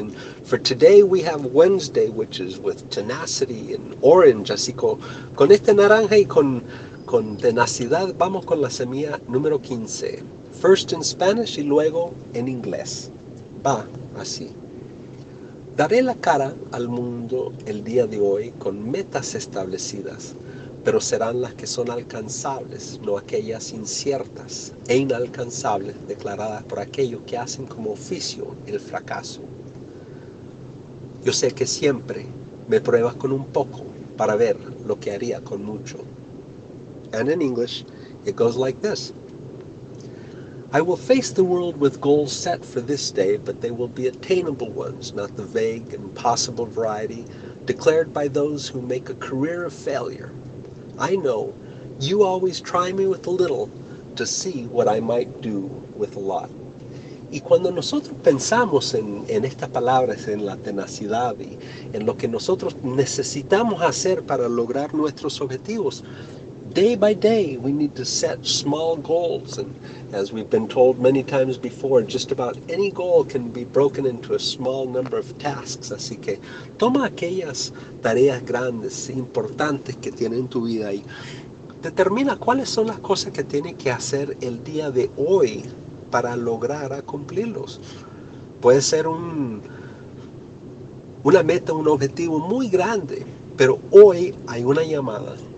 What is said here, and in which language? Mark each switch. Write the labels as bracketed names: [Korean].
[English] And for today we have Wednesday, which is with tenacity and orange. [Spanish] Así con este naranja y con tenacidad vamos con la semilla número 15. [English] First in Spanish [Spanish] y luego en inglés. Va así. Daré la cara al mundo el día de hoy con metas establecidas, pero serán las que son alcanzables, no aquellas inciertas e inalcanzables declaradas por aquellos que hacen como oficio el fracaso. Yo sé que siempre me pruebas con un poco para ver lo que haría con mucho. [English] And in English, it goes like this. I will face the world with goals set for this day, but they will be attainable ones, not the vague and possible variety declared by those who make a career of failure. I know you always try me with a little to see what I might do with a lot. [Spanish] Y cuando nosotros pensamos en estas palabras, en la tenacidad y en lo que nosotros necesitamos hacer para lograr nuestros objetivos, [English] day by day, we need to set small goals. And as we've been told many times before, just about any goal can be broken into a small number of tasks. [Spanish] Así que toma aquellas tareas grandes, importantes que tienes en tu vida y determina cuáles son las cosas que tienes que hacer el día de hoy para lograr cumplirlos. Puede ser una meta, un objetivo muy grande, pero hoy hay una llamada.